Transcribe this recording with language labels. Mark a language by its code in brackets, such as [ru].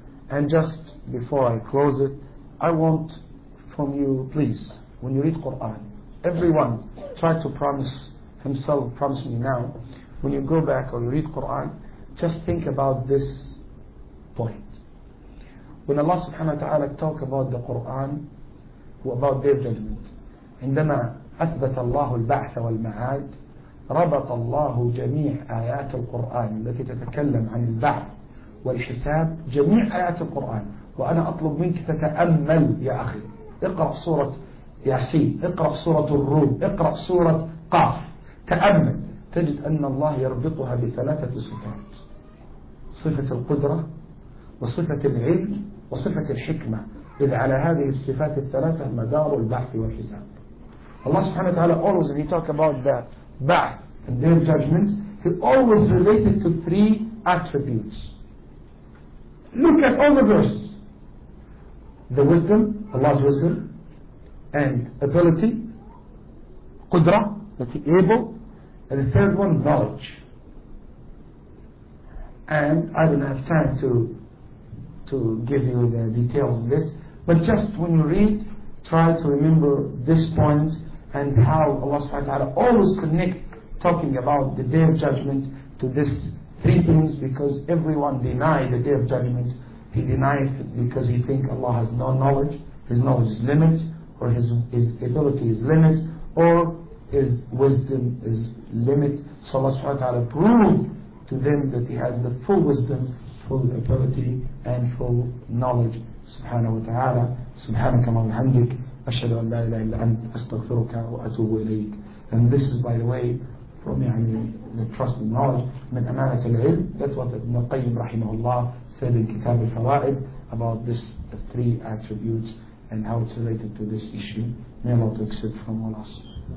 [en] And just before I close it, I want from you, please, when you read Quran, everyone try to promise himself, promise me now, when you go back or you read Quran, just think about this point. When Allah subhanahu wa ta'ala talk about the Quran, about their judgment, [ar] عندما أثبت الله البعث والمعاد ربط الله جميع آيات القرآن التي تتكلم عن البعث والحساب جميع آيات القرآن. وأنا أطلب منك تتأمل يا أخي, اقرأ سورة ياسين, اقرأ سورة الروم, اقرأ سورة قاف, تأمل, تجد أن الله يربطها بثلاثة صفات: صفة القدرة وصفة العلم وصفة الحكمة. إذ على هذه الصفات الثلاثة مدار البعث والحساب. [en] Allah subhanahu wa ta'ala always, when he talk about the ba'ath and their judgment, he always related to three attributes. Look at all the verses: the wisdom, Allah's wisdom and ability, qudra, that he's able, and the third one, knowledge. And I don't have time to give you the details of this, but just when you read, try to remember this point and how Allah subhanahu wa ta'ala always connect talking about the day of judgment to these three things. Because everyone denies the day of judgment, he denies it because he thinks Allah has no knowledge, his knowledge is limited, or his ability is limited, or his wisdom is limited. So Allah subhanahu wa ta'ala proved to them that he has the full wisdom, full ability and full knowledge. [ar] سبحانه وتعالى سبحانك اللهم وبحمدك أشهد أن لا إله إلا أنت أستغفرك وأتوب إليك. [en] And this is by the way from the trust and knowledge, [ar] من أمانة العلم. [en] That's what Ibn Qayyim رحمه الله said in كتاب الفوائد about this three attributes and how it's related to this issue. May Allah accept from all us.